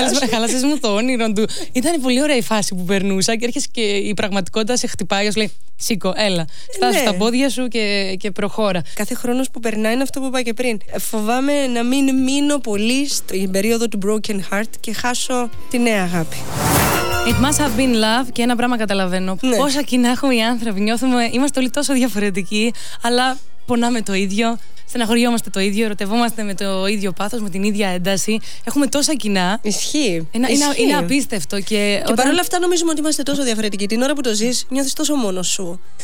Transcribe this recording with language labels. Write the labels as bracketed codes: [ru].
[el] Χάλασες μου το όνειρο του. Ήταν πολύ ωραία η φάση που περνούσα και έρχεσαι και η πραγματικότητα σε χτυπάει. Σου λέει, σήκω, έλα. Στάσου τα πόδια σου και προχώρα. Κάθε χρόνος που περνάει είναι αυτό που είπα και πριν. Φοβάμαι να μην μείνω πολύ στην περίοδο του broken heart και χάσω τη νέα αγάπη. [en] It must have been love, [el] και ένα πράγμα καταλαβαίνω. Ναι. Πόσα κοινά έχουμε οι άνθρωποι. Νιώθουμε, είμαστε όλοι τόσο διαφορετικοί, αλλά πονάμε το ίδιο. Στεναχωριόμαστε το ίδιο, ερωτευόμαστε με το ίδιο πάθος, με την ίδια ένταση. Έχουμε τόσα κοινά. Ισχύει. Είναι απίστευτο. Και παρόλα αυτά, νομίζουμε ότι είμαστε τόσο διαφορετικοί. Την ώρα που το ζεις, νιώθεις τόσο μόνος σου.